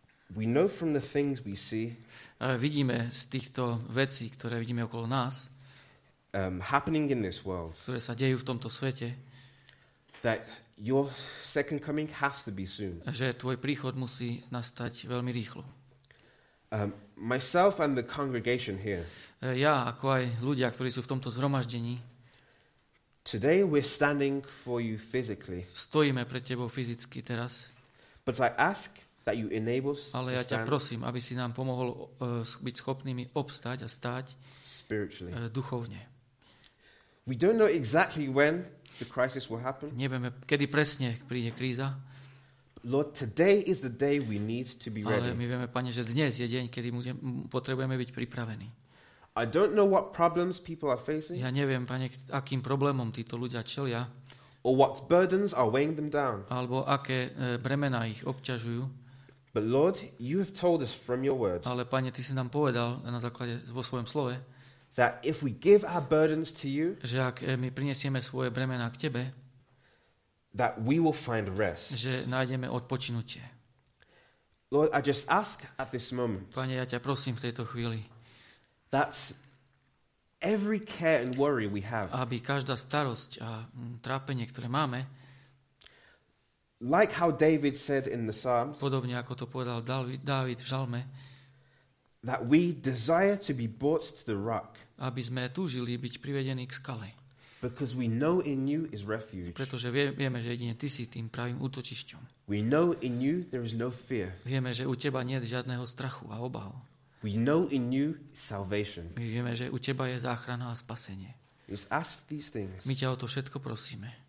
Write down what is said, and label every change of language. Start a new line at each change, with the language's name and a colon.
English: We know from the things we see.
Slovak: Vidíme z týchto vecí, ktoré vidíme okolo nás.
English: Happening in this world.
Slovak: Ktoré sa dejú v tomto svete.
English: That your second coming has to be soon.
Slovak: Že tvoj príchod musí nastať veľmi rýchlo.
English: Myself and the congregation here.
Slovak: Ja ako aj ľudia, ktorí sú v tomto zhromaždení.
English: Today we're standing for you physically.
Slovak: Stojíme pred tebou fyzicky teraz.
English: But I ask that you enable us.
Slovak: Ale ja ťa prosím, aby si nám pomohol byť schopnými obstať a stáť
English: spiritually.
Slovak: Duchovne.
English: We don't know exactly when the crisis will happen.
Slovak: Nevieme, kedy presne príde kríza.
English: Lord, today is the day we need to be ready.
Slovak: Ale my vieme, Pane, že dnes je deň, kedy potrebujeme byť pripravení.
English: I don't know what problems people are facing.
Slovak: Ja neviem, Pane, akým problémom títo ľudia čelia.
English: Or what burdens are weighing them down.
Slovak: Alebo aké bremena ich obťažujú.
English: But Lord, you have told us from your word.
Slovak: Ale Pane, ty si nám povedal na základe vo svojom slove.
English: That if we give our burdens to you.
Slovak: Že ak my prinesieme svoje bremena k tebe.
English: That we will find rest.
Slovak: Že nájdeme odpočinutie.
English: Lord, I just ask at this moment.
Slovak: Pane, ja ťa prosím v tejto chvíli.
English: That's every care and worry we have.
Slovak: Aby každá starosť a trápenie, ktoré máme.
English: Like how David said in the Psalms.
Slovak: Podobne ako to povedal Dávid v Žalme.
English: That we desire to be brought to the rock.
Slovak: Aby sme túžili byť privedení k skale.
English: Because we know in you is refuge.
Slovak: Pretože vieme, že jedine ty si tým pravým útočišťom.
English: We know in you there is no fear.
Slovak: Vieme, že u teba nie je žiadneho strachu a obavy.
English: We know in you salvation.
Slovak: My vieme, že u teba je záchrana a spasenie.
English: Just ask these things.
Slovak: My ťa o to všetko prosíme.